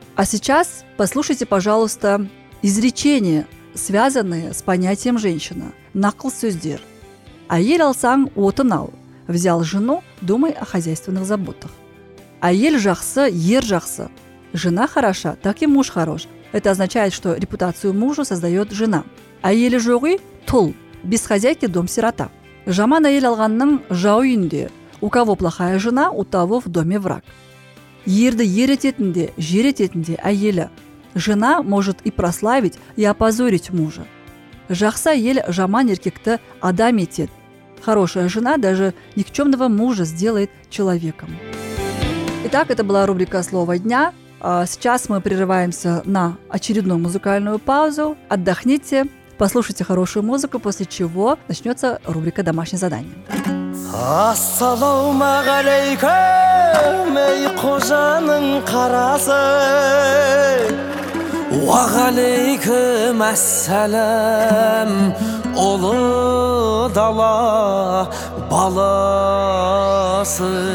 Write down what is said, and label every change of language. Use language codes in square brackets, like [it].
[ru] А сейчас послушайте, пожалуйста, изречения, связанные с понятием женщина. [kk] Нақыл сөздер. Әйел алсаң, отын ал. [ru] Взял жену, думай о хозяйственных заботах. [kk] Әйел жақсы, ер жақсы. [ru] Жена хороша, так и муж хорош. Это означает, что репутацию мужу создает жена. [kk] Әйелі жоғы, тұл. [ru] Без хозяйки дом сирота. [kk] Жаман әйел алғанның жау үйінде. [ru] У кого плохая жена, у того в доме враг. [kk] Ерді ер ететінде, жер ететінде әйелі. [ru] Жена может и прославить, и опозорить мужа. [kk] Жақса әйел жаман еркекті адам етед. [ru] Хорошая жена даже никчемного мужа сделает человеком. Итак, это была рубрика «Слово дня». Сейчас мы прерываемся на очередную музыкальную паузу. Отдохните. Послушайте хорошую музыку, после чего начнется рубрика «Домашнее задание». [kk] Ассалауму алейкум, эй кожаның қарасы. Уа алейкум ассалам, олы дала баласы.